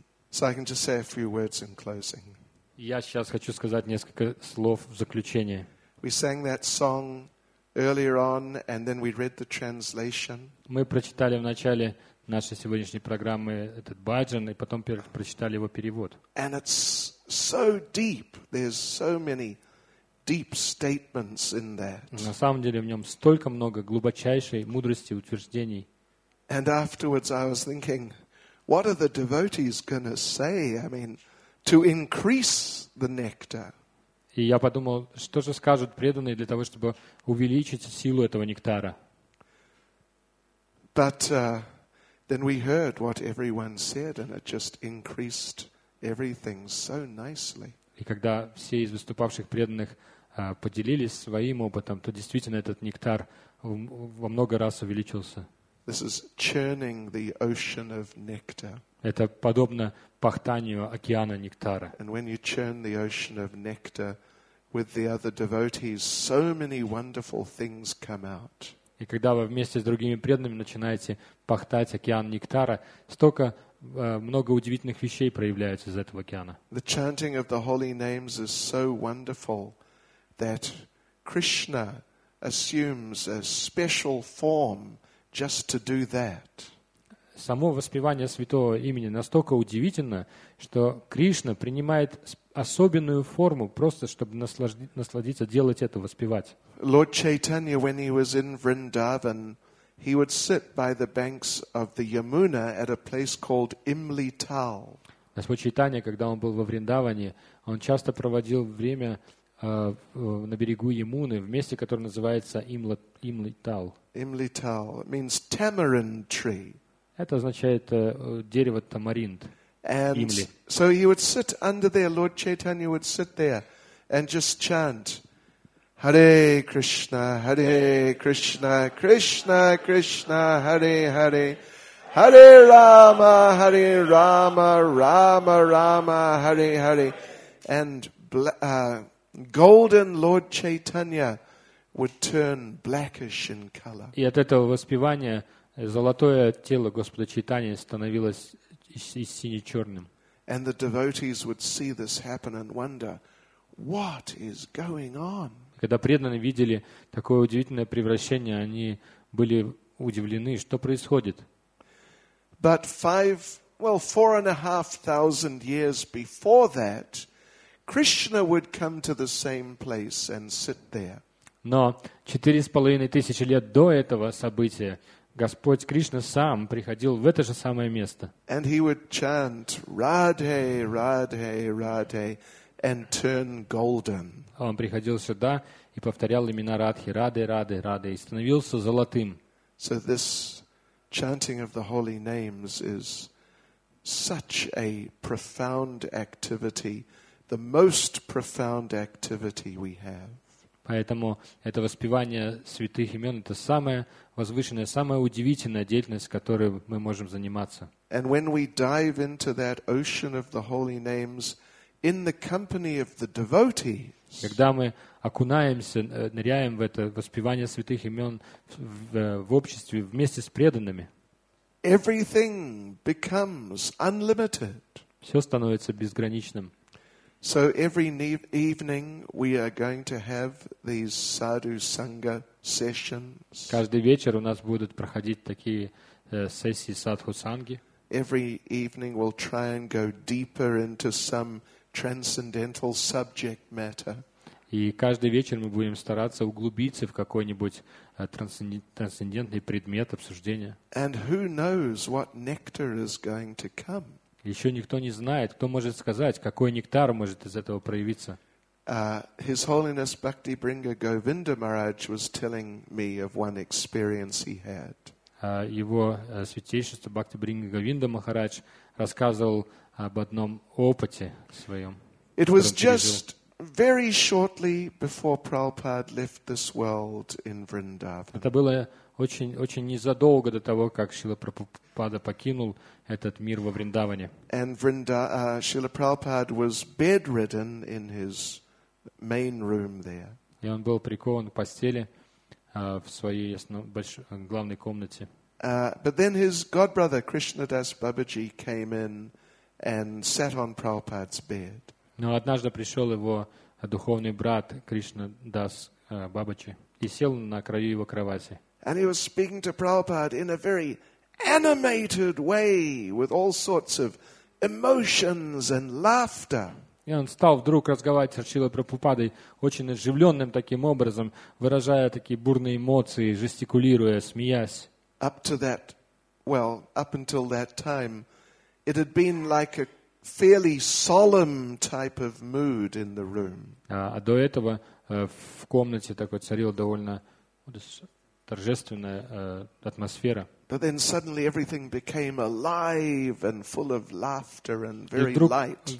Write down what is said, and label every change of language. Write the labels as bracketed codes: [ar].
[en] So I can just say a few words in closing. [ru] Я сейчас хочу сказать несколько слов в заключение. [en] We sang that song earlier on, and then we read the translation. [ru] Мы прочитали в начале нашей сегодняшней программы этот баджан, и потом прочитали его перевод. [en] And it's so deep. There's so many deep statements in that. [ru] На самом деле в нем столько много глубочайшей мудрости, утверждений. [en] And afterwards I was thinking, what are the devotees going to say? I mean, to increase the nectar. [ru] И я подумал, что же скажут преданные для того, чтобы увеличить силу этого нектара. [en] But then we heard what everyone said, and it just increased everything so nicely. [ru] И когда все из выступавших преданных поделились своим опытом, то действительно этот нектар во много раз увеличился. [en] This is churning the ocean of nectar. [ru] Это подобно пахтанию океана нектара. [en] And when you churn the ocean of nectar with the other devotees, so many wonderful things come out. [ru] И когда вы вместе с другими преданными начинаете пахтать океан нектара, столько много удивительных вещей проявляется из этого океана. [en] The chanting of the holy names is so wonderful that Krishna assumes a special form just to do that. [ru] Само воспевание святого имени настолько удивительно, что Кришна принимает особенную форму просто чтобы насладиться делать это, воспевать. [en] Lord Chaitanya, when he was in Vrindavan, he would sit by the banks of the Yamuna at a place called Imli Tal. [ru] Господь Чайтанья, когда он был во Вриндаване, он часто проводил время на берегу Ямуны, в месте, которое называется Имли Тал. [en] Imli Tal means tamarind tree. [ru] Это означает дерево тамаринд. [en] And Imli. So he would sit under there, Lord Chaitanya would sit there and just chant Hare Krishna, Hare Krishna, Krishna Krishna, Hare Hare, Hare Rama, Hare Rama, Rama Rama, Hare Hare. And golden Lord Chaitanya would turn blackish in color. [ru] И от этого воспевания золотое тело Господа Чайтаньи становилось из сине-черным. [en] And the devotees would see this happen and wonder, what is going on? [ru] Когда преданные видели такое удивительное превращение, они были удивлены, что происходит. [en] But four and a half thousand years before that, Krishna would come to the same place and sit there. [ru] Но 4,500 лет до этого события Господь Кришна сам приходил в это же самое место. [en] And he would chant Radhe, Radhe, Radhe, and turn golden. [ru] Он приходил сюда и повторял имена Радхи, Раде, Раде, Раде, и становился золотым. [en] So this chanting of the holy names is such a profound activity, the most profound activity we have. [ru] Поэтому это воспевание святых имен — это самая возвышенная, самая удивительная деятельность, которой мы можем заниматься. [en] And when we dive into that ocean of the holy names in the company of the devotees, [ru] когда мы окунаемся, ныряем в это воспевание святых имен в обществе вместе с преданными, [en] everything becomes unlimited. [ru] Все становится безграничным. [en] So every evening we are going to have these sadhu sangha sessions. [ru] Каждый вечер у нас будут проходить такие сессии садху санги. [en] Every evening we'll try and go deeper into some transcendental subject matter. [ru] И каждый вечер мы будем стараться углубиться в какой-нибудь трансцендентный предмет обсуждения. [en] And who knows what nectar is going to come? [ru] Еще никто не знает, кто может сказать, какой нектар может из этого проявиться. [en] His Holiness Bhakti Bringa Govinda Maharaj was telling me of one experience he had. [ru] Его святейшество Бхакти Бринга Говинда Махарадж рассказывал об одном опыте своем. [en] It was just very shortly before Prabhupada left this world in Vrindavan. [ru] Это было очень, очень незадолго до того, как Шрила Прабхупада покинул этот мир во Вриндаване. [en] And Шрила Прабхупада was bedridden in his main room there. [ru] И он был прикован к постели в своей главной комнате. [en] But then his godbrother Krishnadas Babaji came in and sat on Prabhupada's bed. [ru] Но однажды пришел его духовный брат Кришнадас Бабаджи и сел на краю его кровати. [en] And he was speaking to Prabhupada in a very animated way with all sorts of emotions and laughter. [ru] И он стал вдруг разговаривать с Шрилой Прабхупадой очень оживленным таким образом, выражая такие бурные эмоции, жестикулируя, смеясь. [en] Up until that time, it had been like a fairly solemn type of mood in the room. [ru] А до этого в комнате такой царил довольно торжественная атмосфера. [en] But then suddenly everything became alive and full of laughter and very light.